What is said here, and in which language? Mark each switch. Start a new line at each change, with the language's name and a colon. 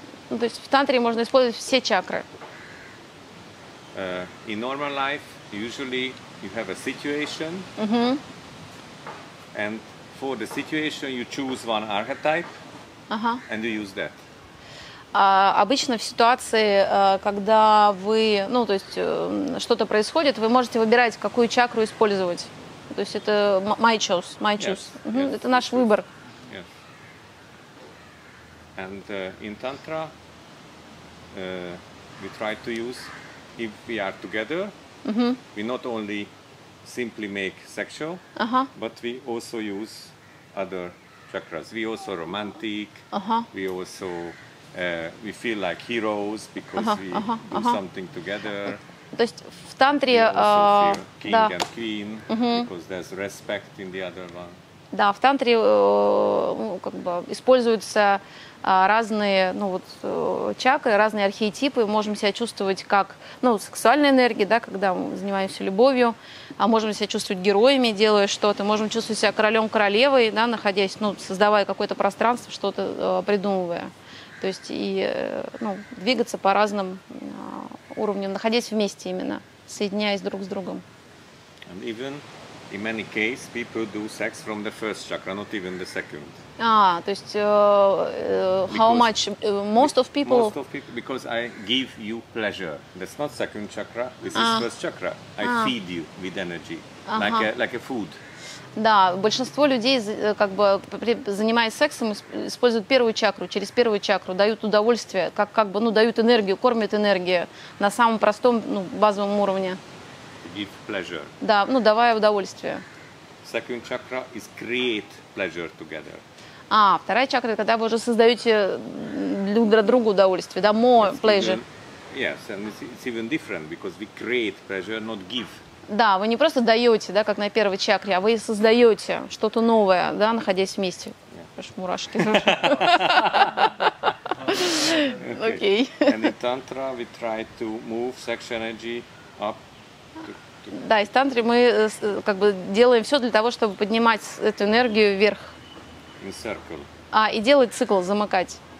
Russian: Ну, то есть в тантре можно использовать все чакры.
English: In normal life, usually you have a situation, and for the situation you choose one archetype, and you use that.
Russian: Обычно в ситуации, когда вы, ну, то есть что-то происходит, вы можете выбирать, какую чакру использовать. То есть это
English: my choice. Yes.
Russian: Это наш выбор.
English: Yes. And in tantra, we try to use, if we are together, we not only simply make sexual, but we also use other chakras. We also romantic. We also we feel like heroes because we do something together.
Russian: То есть в тантре,
English: king and queen, because there's respect in the other one.
Russian: Да, в тантре как бы используются разные, ну вот чакры, разные архетипы. Мы можем себя чувствовать как, ну, сексуальной энергией, да, когда мы занимаемся любовью, а можем себя чувствовать героями, делая что-то, можем чувствовать себя королем, королевой, да, находясь, ну, создавая какое-то пространство, что-то придумывая. То есть и ну, двигаться по разным уровням, находясь вместе именно, соединяясь друг с другом.
English: And even in many cases people do sex from the first chakra, not even the second.
Russian: То есть
English: how much most of people because I give you pleasure. That's not second chakra, this is first chakra. I feed you with energy. Like a food.
Russian: Да, большинство людей, как бы занимаясь сексом, используют первую чакру, через первую чакру дают удовольствие, как бы, ну, дают энергию, кормят энергией на самом простом, ну, базовом уровне.
English: Give pleasure.
Russian: Да, ну, давая удовольствие.
English: Second chakra is create pleasure together.
Russian: А, вторая чакра, когда вы уже создаете друг другу удовольствие, да, more
English: it's pleasure. Even, yes, and it's even different, because we create pleasure, not give.
Russian: Да, вы не просто даете, да, как на первой чакре, а вы создаете что-то новое, да, находясь вместе. Аж мурашки. Окей.
English: And in tantra we try to move sexual energy up.
Russian: Да, из тантры мы как бы делаем все для того, чтобы поднимать эту энергию вверх.
English: In circle.
Russian: А, и делать цикл, замыкать.